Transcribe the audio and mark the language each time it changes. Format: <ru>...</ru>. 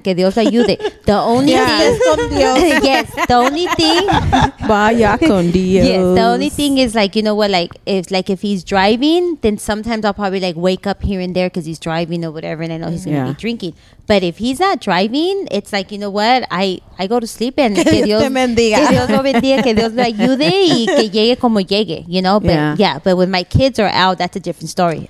<es>Que Dios ayude.</es> <en>The only thing. Yes, the only thing.</en> <es>Vaya con Dios.</es> <en>Yes, the only thing is, like, you know what? Like, if he's driving, then sometimes I'll probably, like, wake up here and there because he's driving or whatever, and I know he's going to be drinking. But if he's not driving, it's like, you know what? I go to sleep and.</en> <es>Que Dios te bendiga. Que Dios lo bendiga. Que Dios lo ayude y que llegue como llegue.</es> <en>You know? But yeah. But when my kids are out, that's a different story.</en>